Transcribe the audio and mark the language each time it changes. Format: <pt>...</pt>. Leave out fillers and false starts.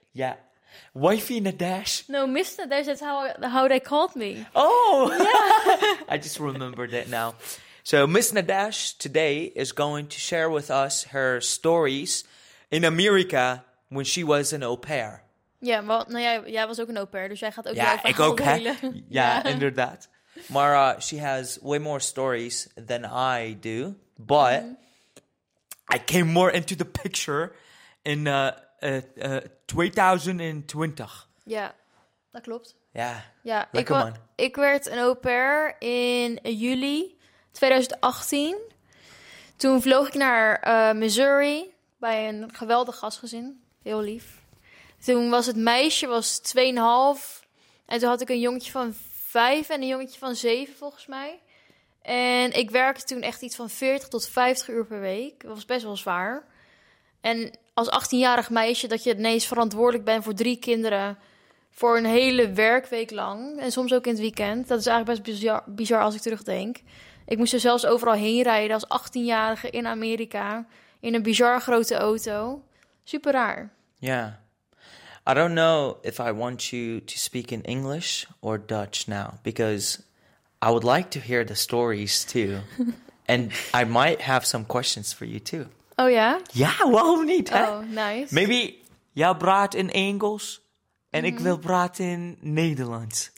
<en>Yeah. Wifey Nadeche. No, Miss Nadeche, that's how they called me. Oh! Yeah. I just remembered it now. So, Miss Nadeche today is going to share with us her stories in America when she was an au pair.</en> <nl>Ja, maar nou ja, jij was ook een au pair, dus jij gaat ook jouw verhaal delen. Ja, ik ook, hè? Ja, inderdaad. Maar</nl> <en>she has way more stories than I do. But I came more into the picture in 2020.</en> <nl>Ja, dat klopt. Ja, ja, lekker man. Ik werd een au pair in juli 2018. Toen vloog ik naar Missouri bij een geweldig gastgezin. Heel lief. Toen was het meisje, was 2,5. En toen had ik een jongetje van 5 en een jongetje van 7 volgens mij. En ik werkte toen echt iets van 40 tot 50 uur per week. Dat was best wel zwaar. En als 18-jarig meisje, dat je ineens verantwoordelijk bent voor 3 kinderen. Voor een hele werkweek lang. En soms ook in het weekend. Dat is eigenlijk best bizar als ik terugdenk. Ik moest er zelfs overal heen rijden als 18-jarige in Amerika. In een bizar grote auto. Super raar. Ja. Yeah.</nl> <en>I don't know if I want you to speak in English or Dutch now, because I would like to hear the stories too. And I might have some questions for you too. Oh yeah? Yeah,</en> <nl>waarom niet, hè?</nl> <en>Oh, nice. Maybe</en> <nl>jij praat in Engels en ik wil praten in Nederlands.</nl>